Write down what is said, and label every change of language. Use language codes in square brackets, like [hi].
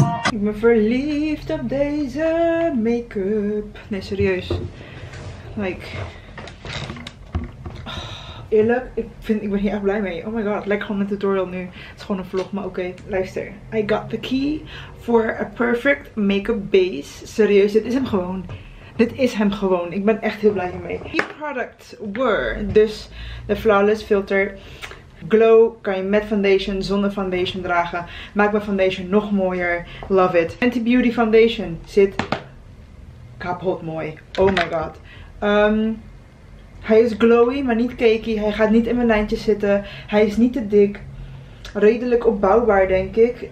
[nl] Ik ben verliefd op deze make-up. Nee, serieus. eerlijk, ik ben hier echt blij mee. [en] Oh my god, [nl] lekker gewoon een tutorial nu. Het is gewoon een vlog, maar oké. [en] Luister, I got the key for a perfect make-up base. [nl] Serieus, dit is hem gewoon. Dit is hem gewoon. Ik ben echt heel blij hiermee. Die products were dus de Flawless Filter Glow. Kan je met foundation, zonder foundation dragen. Maakt mijn foundation nog mooier. [en] Love it. [nl] Anti-beauty foundation zit kapot mooi. [en] Oh my god. [nl] Hij is glowy, maar niet cakey. Hij gaat niet in mijn lijntjes zitten. Hij is niet te dik. Redelijk opbouwbaar, denk ik.